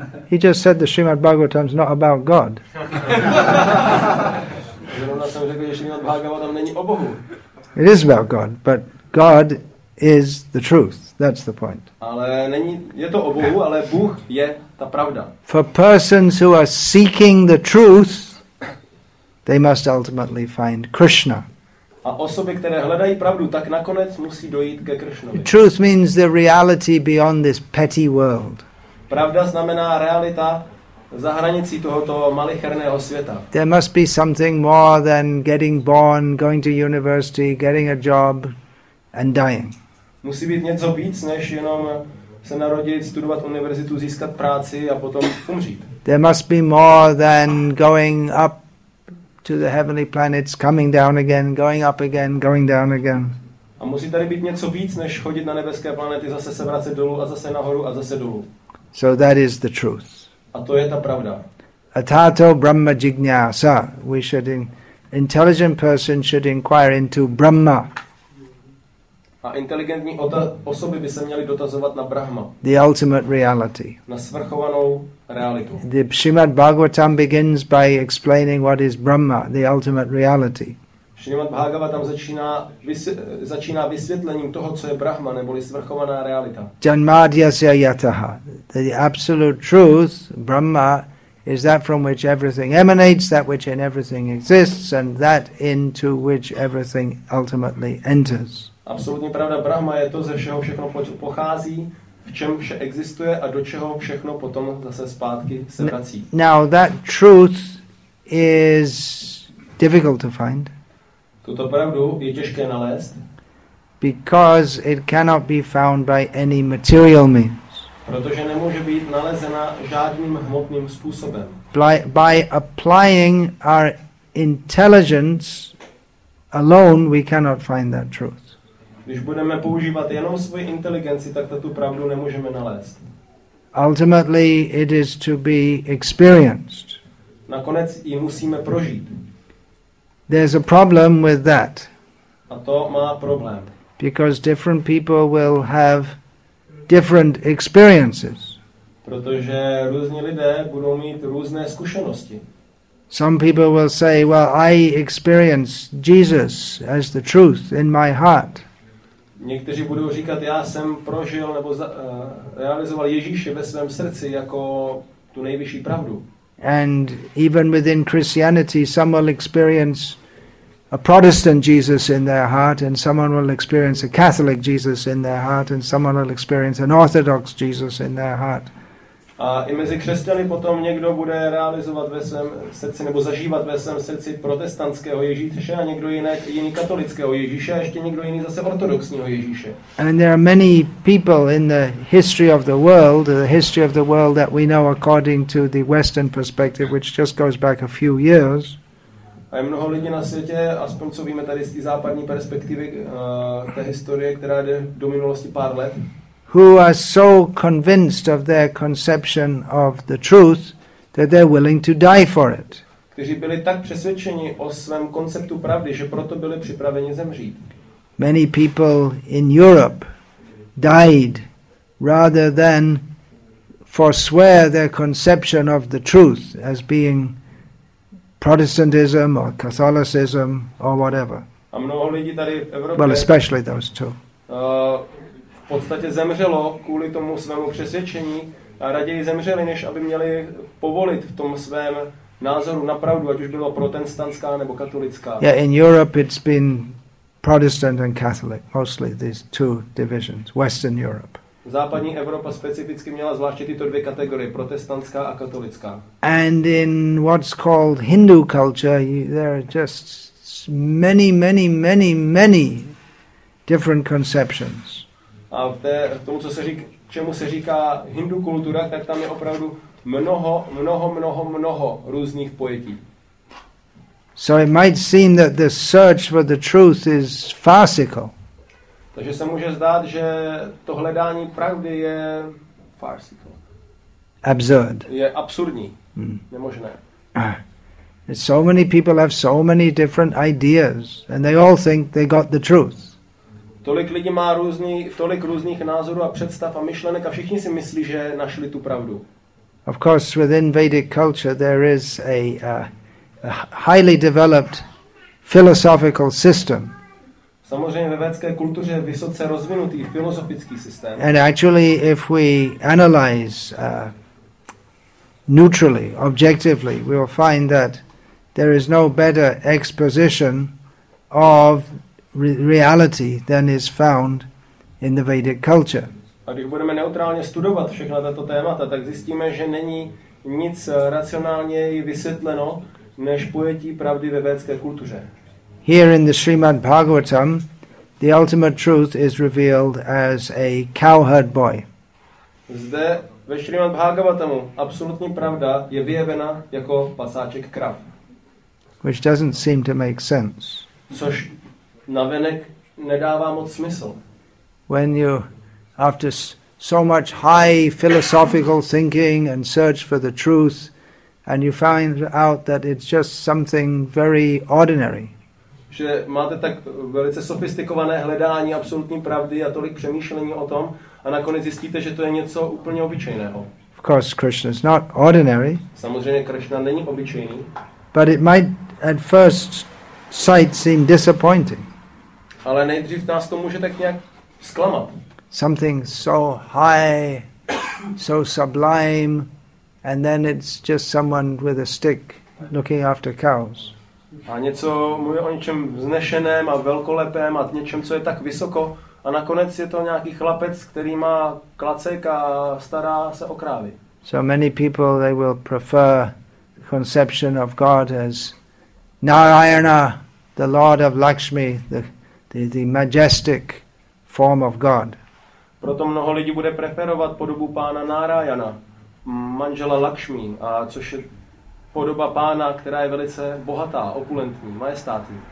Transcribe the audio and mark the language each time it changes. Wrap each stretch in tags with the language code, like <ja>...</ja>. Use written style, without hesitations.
<en>He just said the Srimad Bhagavatam is not about God.</en> <cs>Zrovna jsem řekl, že Srimad Bhagavatam není o Bohu.</cs> <en>It is about God, but God is the truth. That's the point.</en> <cs>Ale není, je to o Bohu, ale Bůh je ta pravda.</cs> <en>For persons who are seeking the truth, they must ultimately find Krishna.</en> <cs>A osoby, které hledají pravdu, tak nakonec musí dojít ke Krishnovi.</cs> <en>Truth means the reality beyond this petty world.</en> <cs>Pravda znamená realita za hranicí tohoto malicherného světa.</cs> <en>There must be something more than getting born, going to university, getting a job and dying.</en> <cs>Musí být něco víc, než jenom se narodit, studovat univerzitu, získat práci a potom umřít.</cs> <en>There must be more than going up to the heavenly planets, coming down again, going up again, going down again.</en> <cs>A musí tady být něco víc, než chodit na nebeské planety, zase se vracet dolů a zase nahoru a zase dolů.</cs> <en>So that is the truth.</en> <cs>A to je ta pravda.</cs> <sa>Atato Brahma Jignyasa.</sa> <en>We should, intelligent person should inquire into Brahma.</en> <cs>A inteligentní osoby by se měly dotazovat na Brahma.</cs> <en>The ultimate reality.</en> <cs>Na svrchovanou realitu.</cs> <en>The Srimad Bhagavatam begins by explaining what is Brahma, the ultimate reality.</en> <cs>Srimad Bhagavatam začíná vysvětlením toho, co je Brahma, neboli svrchovaná realita.</cs> <sa>Janmadyasya yataha.</sa> <en>The absolute truth, Brahma, is that from which everything emanates, that which in everything exists, and that into which everything ultimately enters.</en> <cs>Absolutní pravda Brahma je to, ze všeho všechno pochází, v čem vše existuje a do čeho všechno potom zase zpátky se vrací.</cs> <en>Now that truth is difficult to find.</en> <cs>Tuto pravdu je těžké nalézt.</cs> <en>Because it cannot be found by any material means.</en> <cs>Protože nemůže být nalezena žádným hmotným způsobem.</cs> <en>By applying our intelligence alone, we cannot find that truth.</en> <cs>Když budeme používat jenom svoji inteligenci, tak tu pravdu nemůžeme nalézt.</cs> <en>Ultimately, it is to be experienced.</en> <cs>Nakonec ji musíme prožít.</cs> <en>There's a problem with that.</en> <cs>A to má problém.</cs> <en>Because different people will have different experiences.</en> <cs>Protože různí lidé budou mít různé zkušenosti.</cs> <en>Some people will say, well, I experience Jesus as the truth in my heart.</en> <cs>Někteří budou říkat, já jsem prožil nebo realizoval Ježíše ve svém srdci jako tu nejvyšší pravdu.</cs> <en>And even within Christianity, some will experience a Protestant Jesus in their heart, and someone will experience a Catholic Jesus in their heart, and someone will experience an Orthodox Jesus in their heart.</en> <cs>A i mezi křesťany potom někdo bude realizovat ve svém srdci nebo zažívat ve svém srdci protestantského Ježíše a někdo jiný katolického Ježíše a ještě někdo jiný zase ortodoxního Ježíše.</cs> <en>And there are many people in the history of the world that we know according to the Western perspective, which just goes back a few years.</en> <cs>A je mnoho lidí na světě, aspoň co víme tady z té západní perspektivy, té historie, která jde do minulosti pár let,</cs> <en>who are so convinced of their conception of the truth that they're willing to die for it.</en> <cs>Kteří byli tak přesvědčeni o svém konceptu pravdy, že proto byli připraveni zemřít.</cs> <en>Many people in Europe died rather than forswear their conception of the truth as being Protestantism or Catholicism or whatever.</en> <cs>A mnoho lidí tady v Evropě,</cs> <en>well, especially those two.</en> <cs>V podstatě zemřelo kvůli tomu svému přesvědčení a raději zemřeli, než aby měli povolit v tom svém názoru na pravdu, ať už bylo protestantská nebo katolická.</cs> <en>Yeah, in Europe it's been Protestant and Catholic, mostly these two divisions, Western Europe.</en> <cs>Západní Evropa specificky měla zvláště tyto dvě kategorie, protestantská a katolická.</cs> <en>And in what's called Hindu culture, there are just many, many, many, many different conceptions.</en> <cs>A v tom, čemu se říká hindu kultura, tak tam je opravdu mnoho, mnoho, mnoho, mnoho různých pojetí.</cs> <en>So it might seem that the search for the truth is farcical.</en> <cs>Takže se může zdát, že to hledání pravdy je farcical.</cs> <en>Absurd.</en> <cs>Je absurdní. Nemožné.</cs> <en>So many people have so many different ideas and they all think they got the truth.</en> <cs>Tolik lidí má tolik různých názorů a představ a myšlenek a všichni si myslí, že našli tu pravdu.</cs> <en>Of course, within Vedic culture there is a highly developed philosophical system.</en> <cs>Samozřejmě ve vedské kultuře je vysoce rozvinutý filozofický systém.</cs> <en>And actually, if we analyze neutrally, objectively, we will find that there is no better exposition of reality than is found in the Vedic culture.</en> <cs>A když budeme neutrálně studovat všechna tato témata, tak zjistíme, že není nic racionálněji vysvětleno než pojetí pravdy ve védské kultuře.</cs> <en>Here in the Srimad Bhagavatam, the ultimate truth is revealed as a cowherd boy.</en> <cs>Zde ve Srimad Bhagavatamu absolutní pravda je vyjevena jako pasáček krav.</cs> <en>Which doesn't seem to make sense.</en> <cs>Což navenek nedává moc smysl.</cs> <en>When you, after so much high philosophical thinking and search for the truth, and you find out that it's just something very ordinary.</en> <cs>Že máte tak velice sofistikované hledání absolutní pravdy a tolik přemýšlení o tom, a nakonec zjistíte, že to je něco úplně obyčejného.</cs> <en>Of course, Krishna is not ordinary.</en> <cs>Samozřejmě Krishna není obyčejný.</cs> <en>But it might at first sight seem disappointing.</en> <cs>Ale nejdřív nás to může tak nějak zklamat.</cs> <en>Something so high, so sublime, and then it's just someone with a stick looking after cows.</en> <cs>A něco mu je o něčem vznešeném a velkolepém a něčem, co je tak vysoko, a nakonec je to nějaký chlapec, který má klacek a stará se o krávy.</cs> <en>So many people, they will prefer conception of God as Narayana, the Lord of Lakshmi, the majestic form of God.</en> <cs>Proto mnoho lidí bude preferovat podobu pána Narayana, manžela Lakshmi, a což je podoba pána, která je velice bohatá, opulentní, majestátní.</cs>